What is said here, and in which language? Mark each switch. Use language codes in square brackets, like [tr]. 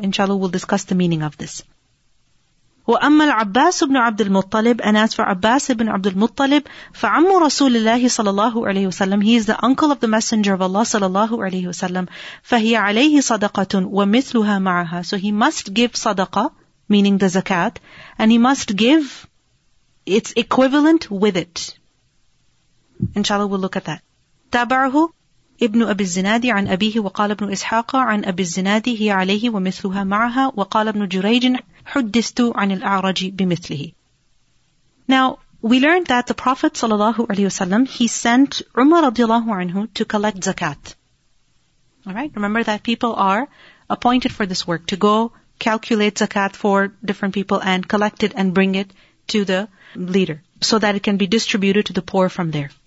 [en] Inshallah, we'll discuss the meaning of this. [ar] وَأَمَّا الْعَبَّاسُ بْنُ عَبْدِ الْمُطَّلِبِ, [en] and as for Abbas ibn عَبْدِ الْمُطَّلِبِ, [ar] فَعَمُّ رَسُولِ اللَّهِ صَلَى اللَّهُ عَلَيْهِ وَسَلَّمَ, [en] he is the uncle of the messenger of Allah صلى الله عليه وسلم, [ar] فَهِيَ عَلَيْهِ صَدَقَةٌ وَمِثْلُهَا مَعَهَا, [en] so he must give sadaqah, meaning the zakat, and he must give its equivalent with it. Inshallah, we'll look at that. [ar] تَابَعَهُ ابن أبي الزنادي عن أبيه وقال ابن إسحاق عن أبي الزنادي هي عليه ومثلها معها وقال ابن جريج حدثت عن الأعرج بمثله. [en] Now we learned that the Prophet [ar] صلى الله عليه وسلم, [en] he sent Umar [ar] رضي الله عنه [en] to collect zakat. Alright, remember that people are appointed for this work, to go calculate zakat for different people and collect it and bring it to the leader so that it can be distributed to the poor from there.